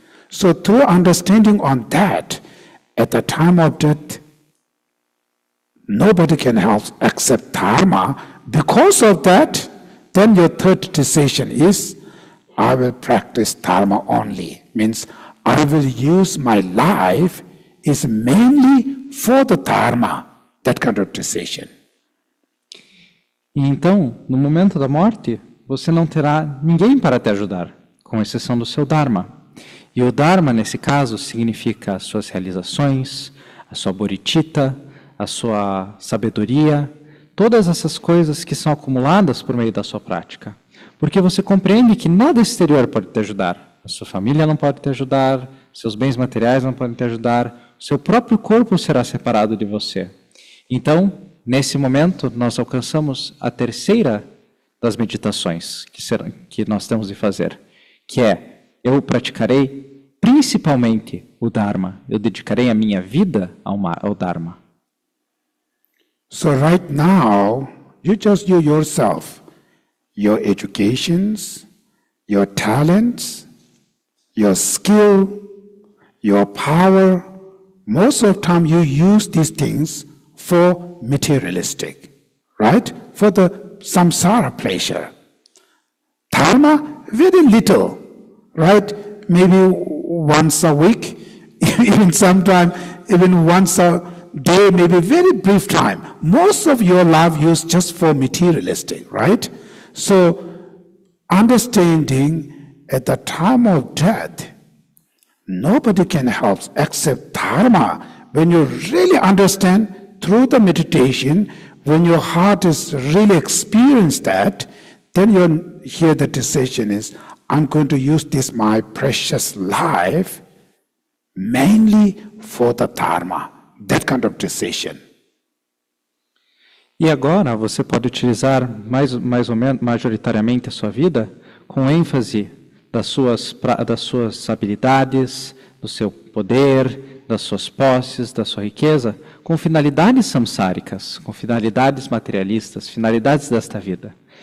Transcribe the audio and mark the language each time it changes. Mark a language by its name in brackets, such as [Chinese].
[English] So through understanding on that, at the time of death, nobody can help except Dharma. Because of that, then your third decision is, I will practice Dharma only. Means I will use my life is mainly for the Dharma, that kind of decision. [Portuguese] Então, no momento da morte, você não terá ninguém para te ajudar, com exceção do seu Dharma. E o Dharma, nesse caso, significa as suas realizações, a sua bodhicitta, a sua sabedoria, todas essas coisas que são acumuladas por meio da sua prática. Porque você compreende que nada exterior pode te ajudar. A sua família não pode te ajudar, seus bens materiais não podem te ajudar, seu próprio corpo será separado de você. Então, nesse momento, nós alcançamos a terceira das meditações que nós temos de fazer, que é, eu praticarei principalmente o Dharma. Eu dedicarei a minha vida ao Dharma. [English] So right now, you just you yourself, your educations, your talents, your skill, your power, most of the time you use these things for materialistic, right? For the samsara pleasure. Dharma, very little, right? Maybe once a week, even sometime, even once a day, maybe very brief time. Most of your life used just for materialistic, right? So understanding at the time of death, nobody can help except Dharma. When you really understand through the meditation, when your heart is really experienced that, then you hear the decision is, I'm going to use this my precious life mainly for the Dharma. That kind of decision. [Portuguese] E agora você pode utilizar mais ou menos majoritariamente a sua vida com ênfase das suas habilidades, do seu poder, das suas posses, da sua riqueza, com finalidades samsáricas, com finalidades materialistas, finalidades desta vida.